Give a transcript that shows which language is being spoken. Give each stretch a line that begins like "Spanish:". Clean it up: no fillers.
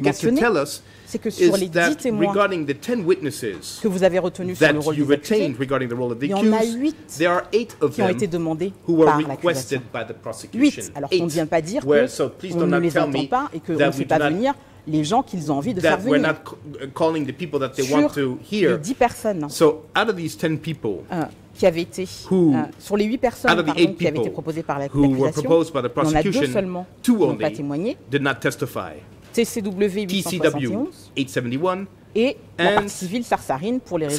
French: mentionner, c'est que sur les 10 témoins que vous avez retenus sur le rôle des accusés, il y en a 8 qui ont été demandés par l'accusation. 8, alors qu'on ne vient pas dire qu'on ne les entend pas et qu'on ne fait pas venir les gens qu'ils ont envie de faire venir.
English: Calling the people that they want to hear.
French: Sur les 10 personnes.
English: So out of these 10 people,
French: qui avaient été sur les 8 personnes qui avaient été proposées par l'accusation, on a deux seulement qui n'ont pas témoigné.
English: Did not testify.
French: TCW 871 et la partie civile Sarsarine pour les raisons